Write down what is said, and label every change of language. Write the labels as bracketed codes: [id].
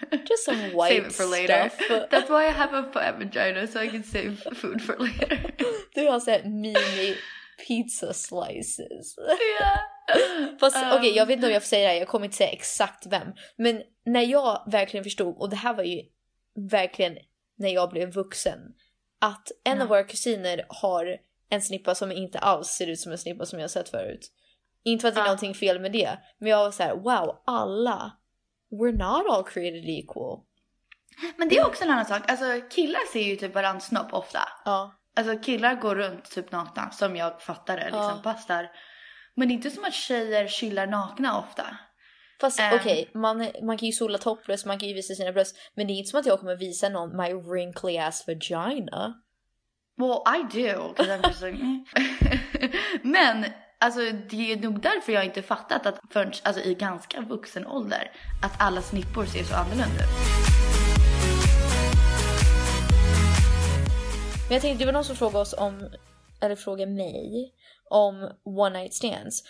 [en] Just some white stuff. Save it for later. That's why I have a fat vagina, so I can save food for later. [sv] Du har sett mini pizza slices. [en] Yeah. [sv] Fast, okej, jag vet inte om jag får säga det här, jag kommer inte säga exakt vem. Men när jag verkligen förstod, och det här var ju verkligen när jag blev vuxen, att en av våra kusiner har en snippa som inte alls ser ut som en snippa som jag har sett förut. Inte att det är någonting fel med det. Men jag var så här: wow, alla. [en] We're not all created equal. [sv] Men det är också en annan sak. Alltså, killar ser ju typ varann snopp ofta. Ja. Alltså, killar går runt typ nakna, som jag fattar det. Liksom, ja. Passar. Men det är inte som att tjejer chillar nakna ofta. Fast okej, man kan ju sola topless, man kan ju visa sina bröst. Men det är inte som att jag kommer visa någon [en] my wrinkly ass vagina. Well, I do. Because I'm just like, men... [sv] Alltså det är nog därför jag inte fattat att förrän, alltså, i ganska vuxen ålder att alla snippor ser så annorlunda ut. Men jag tänkte, det var någon som frågade oss om, eller frågade mig om one night stands.